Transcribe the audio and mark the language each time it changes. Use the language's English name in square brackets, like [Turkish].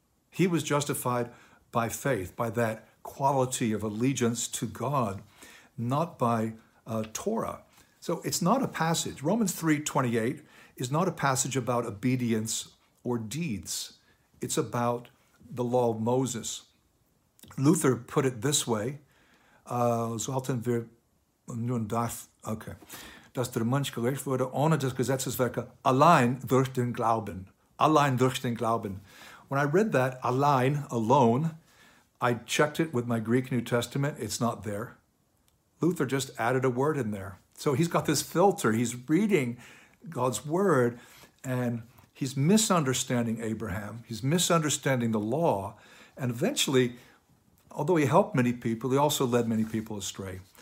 [English] He was justified by faith, by that quality of allegiance to God, not by Torah. So it's not a passage. Romans 3:28 is not a passage about obedience or deeds. It's about the law of Moses. Luther put it this way, [German] sollten wir nun darf, okay, dass der Mensch gerecht wurde ohne des Gesetzes Werke, allein durch den Glauben, allein durch den Glauben. [English] When I read that, allein, alone, I checked it with my Greek New Testament. It's not there. Luther just added a word in there. So he's got this filter. He's reading God's word, and he's misunderstanding Abraham. He's misunderstanding the law. And eventually, although he helped many people, he also led many people astray.